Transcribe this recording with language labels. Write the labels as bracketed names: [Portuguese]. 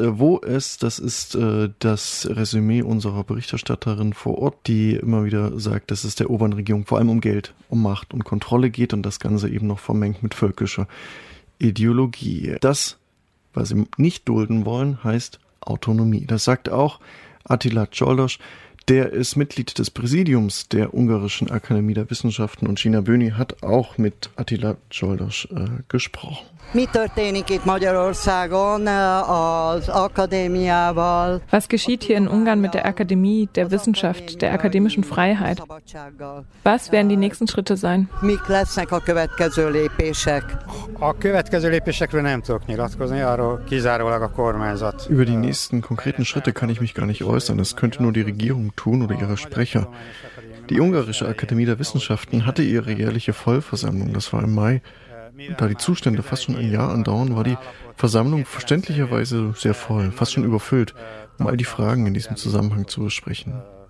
[German] Wo es, das ist das Resümee unserer Berichterstatterin vor Ort, die immer wieder sagt, dass es der Orbán-Regierung vor allem um Geld, um Macht und Kontrolle geht und das Ganze eben noch vermengt mit völkischer Ideologie. Das, was sie nicht dulden wollen, heißt Autonomie. Das sagt auch Attila Csoldos. Der ist Mitglied des Präsidiums der Ungarischen Akademie der Wissenschaften und Gina Böni hat auch mit Attila Csoldos gesprochen. [Hungarian] Mi történik itt Magyarországon az akadémiával? [German] Was geschieht hier in Ungarn mit der Akademie der Wissenschaft, der akademischen Freiheit? Was werden die nächsten Schritte sein? [Hungarian] Mik lesznek a következő lépések? A következő lépésekről nem tudok nyilatkozni, arról kizárólag a kormányzat. [German] Über die nächsten konkreten Schritte kann ich mich gar nicht äußern. Das könnte nur die Regierung tun oder ihre Sprecher. Die Ungarische Akademie der Wissenschaften hatte ihre jährliche Vollversammlung. Das war im Mai. Da die Zustände fast schon ein Jahr andauern, war die Versammlung verständlicherweise sehr voll, fast schon überfüllt, um all die Fragen in diesem Zusammenhang zu besprechen.